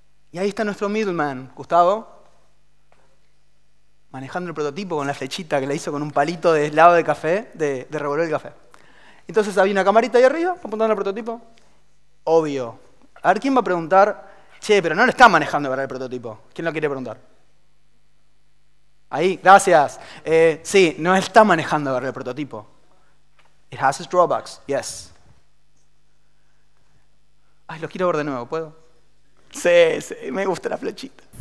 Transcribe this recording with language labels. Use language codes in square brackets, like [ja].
[es] Y ahí está nuestro middleman, Gustavo. Manejando el prototipo con la flechita que le hizo con un palito de helado de café, de revolver el café. Entonces había una camarita ahí arriba, apuntando al prototipo. Obvio. A ver, ¿quién va a preguntar? Che, pero no lo está manejando para el prototipo. ¿Quién lo quiere preguntar? Ahí, gracias. Sí, no está manejando para el prototipo. [en] It has its drawbacks, yes. [es] Ay, lo quiero ver de nuevo, ¿puedo? Sí, sí, me gusta la flechita.